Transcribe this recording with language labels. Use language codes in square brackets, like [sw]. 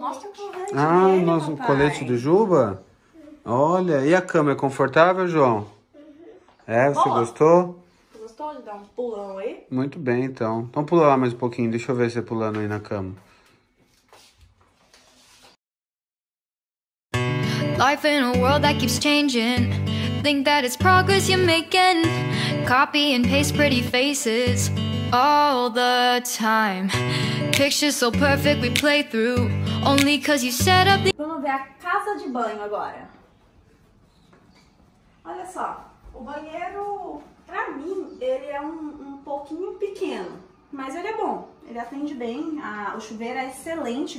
[pt] Mostra o colete. Ah, dele, nosso papai. Colete do Juba? Uhum. Olha, e a cama é confortável, João? Uhum. É, você gostou? Gostou de dar um pulão aí? Muito bem, então. Então pula lá mais um pouquinho, deixa eu ver você pulando aí na cama. [en] Life in a world that keeps changing. Think that it's progress you're making. Copy and paste pretty faces all the time. Pictures so perfect we play through, only 'cause you set up the... [pt] Vamos ver a casa de banho agora. Olha só, o banheiro tradicional, né? Pra mim, pelo menos, ele é um pouquinho pequeno. Mas ele é bom, ele atende bem. O chuveiro é excelente.